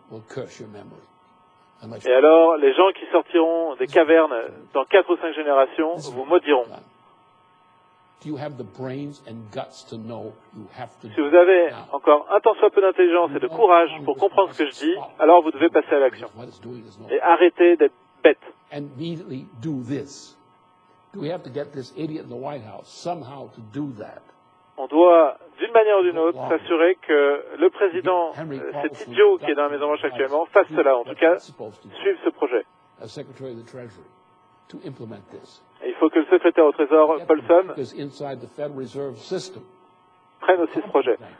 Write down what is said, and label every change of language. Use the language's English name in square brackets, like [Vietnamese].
[French] Et alors, les gens qui sortiront des cavernes dans 4 ou 5 générations vous maudiront. Si vous avez encore un tant soit peu d'intelligence et de courage pour comprendre ce que je dis, alors vous devez passer à l'action. Et arrêter d'être bête. [English] And immediately do this. Do we have to get this idiot in the White House somehow to do that? [French] On doit, d'une manière ou d'une autre, s'assurer que le président, cet idiot qui est dans la Maison Blanche actuellement, fasse cela, en tout cas, suive ce projet. Et il faut que le secrétaire au Trésor, Paulson, prenne aussi ce projet.